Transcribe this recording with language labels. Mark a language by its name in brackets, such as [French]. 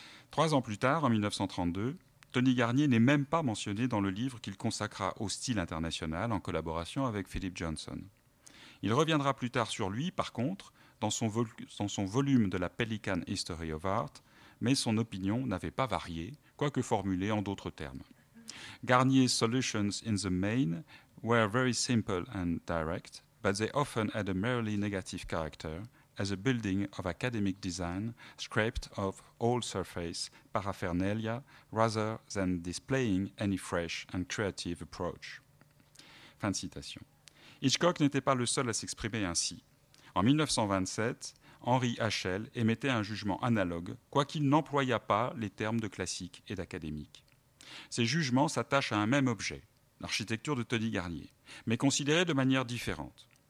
[French] 3 ans plus tard, en 1932, Tony Garnier n'est même pas mentionné dans le livre qu'il consacra au style international en collaboration avec Philip Johnson. Il reviendra plus tard sur lui, par contre, dans son volume de la Pelican History of Art, mais son opinion n'avait pas varié, quoique formulée en d'autres termes. [English] Garnier's solutions in the main were very simple and direct, but they often had a merely negative character, as a building of academic design, scraped of all surface paraphernalia, rather than displaying any fresh and creative approach. [French] Fin de citation. Hitchcock n'était pas le seul à s'exprimer ainsi. En 1927, Henri Hachel émettait un jugement analogue, quoiqu'il n'employât pas les termes de classique et d'académique. Ces jugements s'attachent à un même objet, l'architecture de Tony Garnier, mais considérés de manière différente.